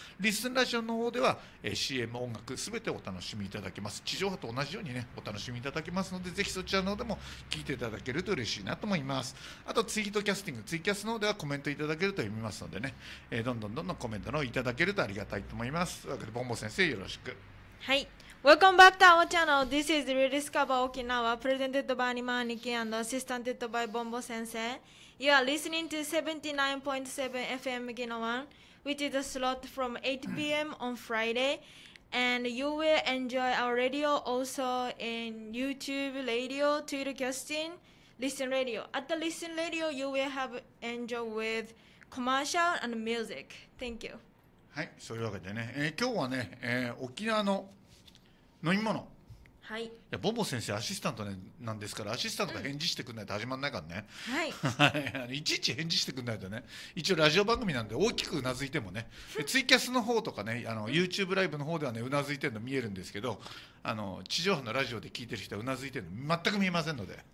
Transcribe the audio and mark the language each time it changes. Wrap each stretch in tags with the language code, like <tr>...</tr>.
<ja>リスンラジオの方では、CM 音楽すべてお楽しみいただけます。地上波と同じようにね、お楽しみいただけますので、ぜひそちらの方でも聞いていただけると嬉しいなと思います。あとツイートキャスティング、ツイキャスの方ではコメントいただけると読みますのでね、どんどんどんどんコメントのいただけるとありがたいと思います。というわけでボンボ先生よろしく。</ja> <en>はい、Welcome back to our channel. This is Rediscover Okinawa, presented by Anima Aniki and assisted by Bombo Sensei. You are listening to 79.7 FM Ginowan, which is a slot from 8 p.m. on Friday. And you will enjoy our radio also in YouTube Radio, Twitter Casting, Listen Radio. At the Listen Radio, you will have enjoy with commercial and music. Thank you.</en> <ja>はい、そういうわけでね、今日はね、沖縄の飲み物、はい、いやボンボ先生アシスタント、ね、なんですから、アシスタントが返事してくれないと始まらないからね、うん、はい、いちいち返事してくれないとね、一応ラジオ番組なんで大きくうなずいてもね、ツイキャスの方とかね、あの YouTube ライブの方ではね、うなずいてるの見えるんですけど、あの地上波のラジオで聞いてる人はうなずいてるの全く見えませんので、</ja>